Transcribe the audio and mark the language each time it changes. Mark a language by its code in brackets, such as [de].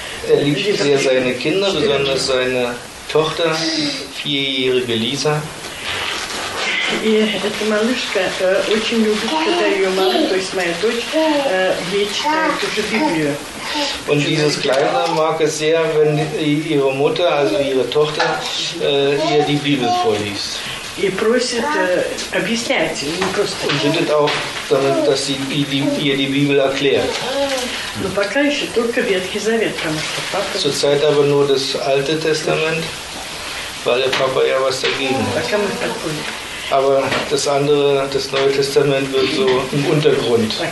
[de] Er liebt sehr seine Kinder, besonders seine Tochter, vierjährige Lisa. [ru] И эта малышка очень любит, когда ее мама, то есть моя дочь, ей читает уже Библию. [de] Und dieses Kleine mag es sehr, wenn ihre Mutter, also ihre Tochter, ihr die Bibel vorliest. [ru] И просит объяснять, не просто. [de] Und bittet auch, damit, dass sie ihr die Bibel erklärt. [ru] Но пока еще только Ветхий Завет, потому что папа. [de] Zurzeit aber nur das Alte Testament, weil der Papa ja was dagegen hat. Aber das andere, das Neue Testament, wird so im Untergrund.